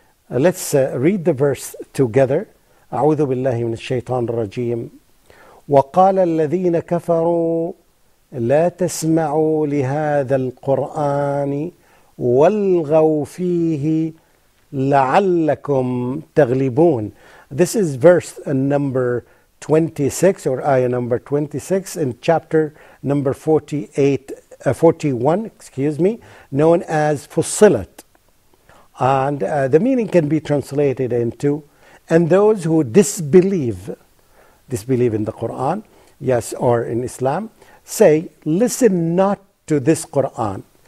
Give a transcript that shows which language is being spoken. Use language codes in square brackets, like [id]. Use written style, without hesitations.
[en] Let's read the verse together. [ar] أعوذ بالله من الشيطان الرجيم. وقال الذين كفروا لا تسمعوا لهذا القرآن والغوا فيه لَعَلَّكُمْ تَغْلِبُونَ. [en] This is verse number 26, or ayah number 26 in chapter number 41, known as Fussilat. And the meaning can be translated into, and those who disbelieve in the Quran, yes, or in Islam, say, listen not to this Quran.